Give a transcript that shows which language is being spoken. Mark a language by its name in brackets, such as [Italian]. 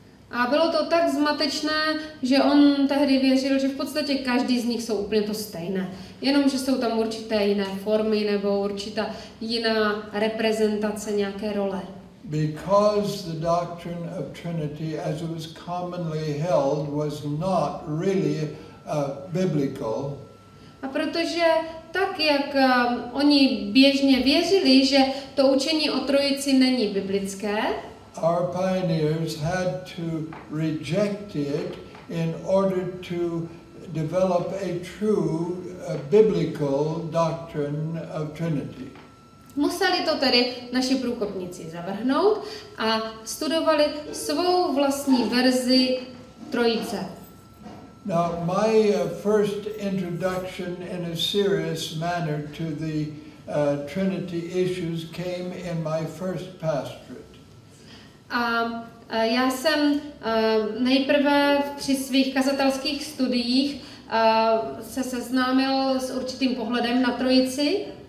[Czech] A bylo to tak zmatečné, že on tehdy věřil, že v podstatě každý z nich jsou úplně to stejné. Jenom, že jsou tam určité jiné formy nebo určitá jiná reprezentace nějaké role. [English] Because the doctrine of Trinity, as it was commonly held, was not really biblical. [Czech] A protože tak, jak oni běžně věřili, že to učení o Trojici není biblické, [English] our pioneers had to reject it in order to develop a true biblical doctrine of Trinity. [Czech] Museli to tedy naši průkopníci zavrhnout a studovali svou vlastní verzi Trojice. [English] Now, my first introduction in a serious manner to the Trinity issues came in my first pastorate. [Czech] A já jsem nejprve při svých kazatelských studiích se seznámil s určitým pohledem na Trojici.